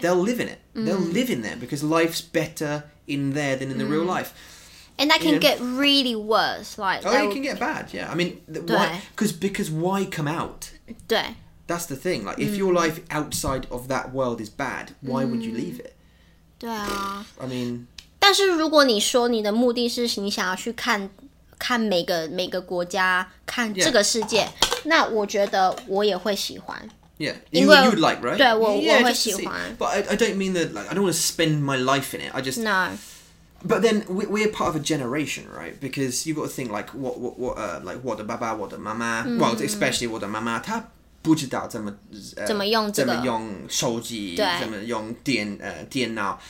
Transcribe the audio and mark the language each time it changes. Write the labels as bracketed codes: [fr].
[en] they'll live in it, they'll live in there, because life's better in there than in the real life, and that can get really worse, like, oh, it can get bad. Yeah, I mean, why, because why come out? [zh] 对 [en] that's the thing, like, if your life outside of that world is bad, why would you leave it? [zh] 对啊 [en] I mean, [zh] 但是如果你说你的目的是你想要去看看每个国家，看这个世界，那我觉得我也会喜欢。 [en] Yeah, you, [zh] 因为 [en] you'd like, right? [zh] 对，我会喜欢。 [en] But I don't mean that, like, I don't want to spend my life in it. I just... No. But then we're part of a generation, right? Because you've got to think, like, what the baba, what the mama, well, especially what the mama, [zh] 她不知道怎么用手机，怎么用电脑。